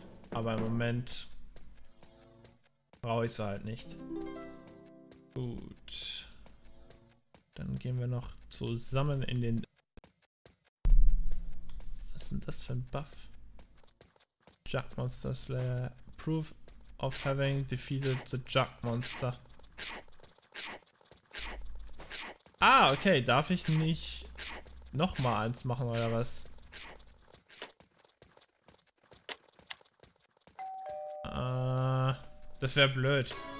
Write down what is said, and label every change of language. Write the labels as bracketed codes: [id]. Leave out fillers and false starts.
[de] Aber im Moment brauche ich sie halt nicht. Gut. Dann gehen wir noch zusammen in den... Was ist denn das für ein Buff? [en] Jug Monster Slayer. Proof of having defeated the Jug Monster. [de] Ah, okay. Darf ich nicht nochmal eins machen oder was? Das wäre blöd.